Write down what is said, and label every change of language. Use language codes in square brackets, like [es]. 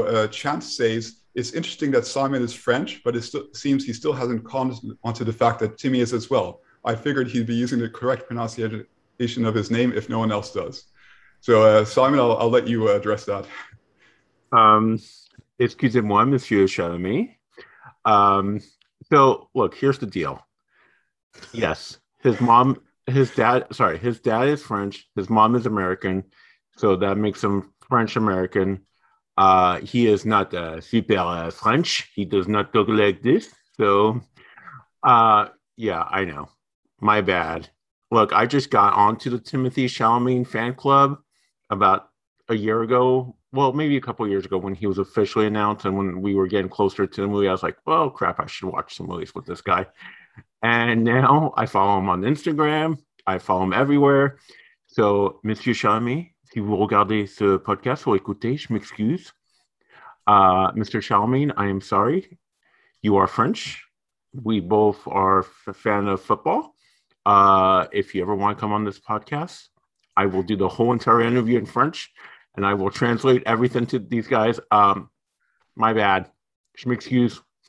[en] Chance says, it's interesting that Simon is French, but it seems he still hasn't commented onto the fact that Timmy is as well. I figured he'd be using the correct pronunciation of his name if no one else does. So Simon, I'll let you address that. [fr] Excusez-moi, Monsieur Chalamet. [en] So look, here's the deal. Yes, his dad is French. His mom is American. So that makes him French American. He is not super French. He does not talk like this. So yeah, I know. My bad. Look, I just got onto the Timothée Chalamet fan club about a year ago. Well, maybe a couple of years ago when he was officially announced, and when we were getting closer to the movie, I was like, oh crap, I should watch some movies with this guy. And now I follow him on Instagram, I follow him everywhere. [fr] So, Monsieur Chalamet, si vous regardez ce podcast ou écoutez, je m'excuse. [en] Mr. Chalamet, I am sorry. You are French. We both are a fan of football. If you ever want to come on this podcast, I will do the whole entire interview in French, and I will translate everything to these guys. My bad. [fr] Je m'excuse.